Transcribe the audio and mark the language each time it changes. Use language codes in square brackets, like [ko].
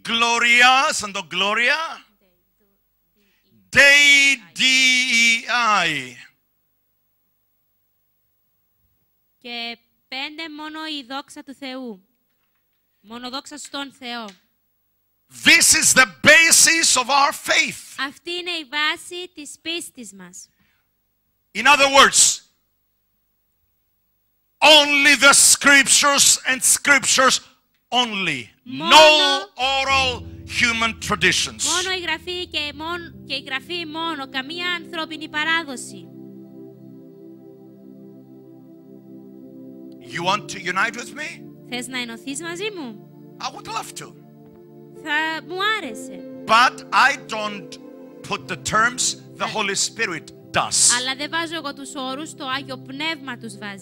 [la] Gloria, santo Gloria. Dei, D-E-I. [el] Και 5, μόνο η δόξα του Θεού. Μόνο δόξα στον Θεό. [en] This is the basis of our faith. [el] Αυτή είναι η βάση της πίστης μας. [en] In other words, only the scriptures and scriptures only. [el] Μόνο, [en] no oral human traditions. [el] Μόνο η γραφή και, και η γραφή μόνο, καμία ανθρώπινη παράδοση. [en] You want to unite with me? [el] Θες να ενωθείς μαζί μου? [en] I would love to. [el] Θα μου άρεσε. [en] But I don't put the terms, the Holy Spirit does. [el] Αλλά δεν βάζω εγώ τους όρους, το Άγιο Πνεύμα τους βάζει.